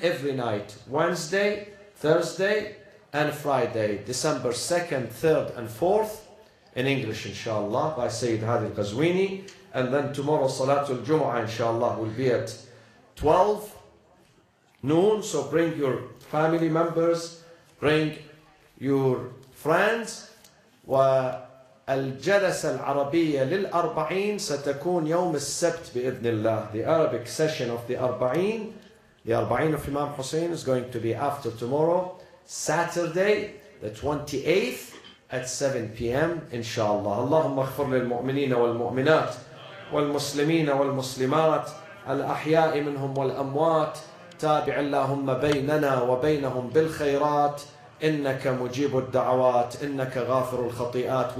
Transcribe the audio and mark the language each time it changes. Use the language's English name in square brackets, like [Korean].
[English] every night, Wednesday, Thursday, and Friday, December 2nd, 3rd, and 4th, in English, inshallah, by Sayyid Hadi Qazwini. And then tomorrow, Salatul Jumu'ah, inshallah, will be at 12 noon. So bring your family members, bring your friends. [Arabic] الجلسة العربية للأربعين ستكون يوم السبت بإذن الله. [English] The Arabic session of the أربعين, the أربعين of Imam Hussein, is going to be after tomorrow, Saturday, the 28th, at 7 p.m. Inshallah. [Arabic] اللهم اغفر للمؤمنين والمؤمنات والمسلمين والمسلمات الأحياء منهم والأموات تابع اللهم بيننا وبينهم بالخيرات إنك مجيب الدعوات إنك غافر الخطيئات.